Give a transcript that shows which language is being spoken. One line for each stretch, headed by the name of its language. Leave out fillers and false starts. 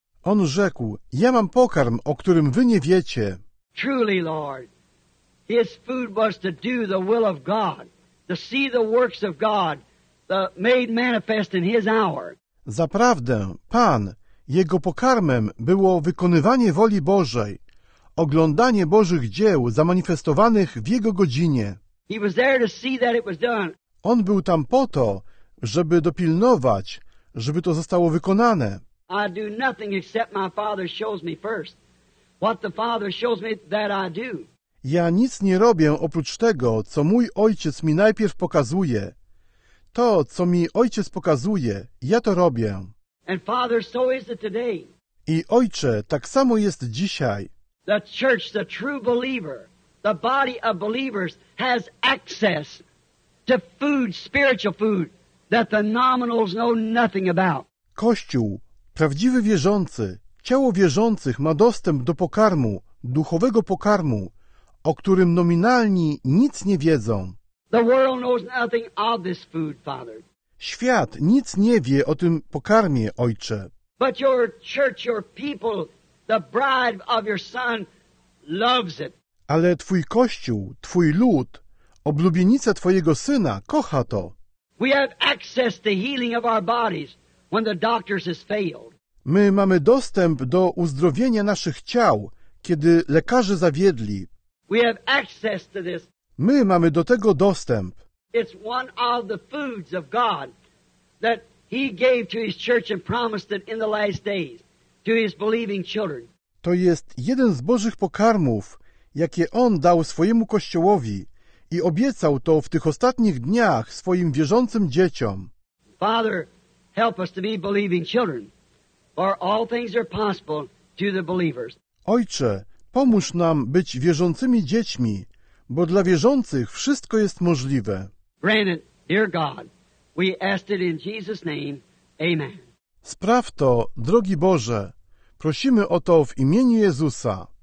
Polish: On rzekł, ja mam pokarm, o którym wy nie wiecie.
English: Truly, Lord, his food was to do the will of God, to see the works of God, the made manifest in his hour.
Polish: Zaprawdę, Pan, jego pokarmem było wykonywanie woli Bożej, oglądanie Bożych dzieł zamanifestowanych w jego godzinie.
English: He was there to see that it was done.
Polish: On był tam po to, żeby dopilnować, żeby to zostało wykonane.
English: I do nothing except my Father shows me first. What the Father shows me that I do.
Polish: Ja nic nie robię oprócz tego, co mój Ojciec mi najpierw pokazuje. To, co mi Ojciec pokazuje, ja to robię.
English: And Father, so is it today.
Polish: I Ojcze, tak samo jest dzisiaj.
English: The church, the true believer, the body of believers has access to food, spiritual food. That the nominals know nothing about.
Polish: Kościół, prawdziwy wierzący, ciało wierzących ma dostęp do pokarmu, duchowego pokarmu, o którym nominalni nic nie wiedzą.
English: The world knows nothing of this food, Father.
Polish: Świat nic nie wie o tym pokarmie, Ojcze.
English: But your church, your people, the bride of your son, loves it.
Polish: Ale Twój Kościół, Twój lud, oblubienica Twojego Syna, kocha to.
English: We have access to healing of our bodies when the doctors has failed.
Polish: My mamy dostęp do uzdrowienia naszych ciał, kiedy lekarze zawiedli.
English: We have access to this.
Polish: My mamy do tego dostęp.
English: It's one of the foods of God that He gave to His church and promised it in the last days to His believing children.
Polish: To jest jeden z Bożych pokarmów, jakie On dał swojemu Kościołowi i obiecał to w tych ostatnich dniach swoim wierzącym dzieciom.
English: Father, help us to be believing children, for all things are possible to the believers.
Polish: Ojcze, pomóż nam być wierzącymi dziećmi, bo dla wierzących wszystko jest możliwe.
English: Grant it, dear God. We ask it in Jesus' name. Amen.
Polish: Spraw to, drogi Boże. Prosimy o to w imieniu Jezusa.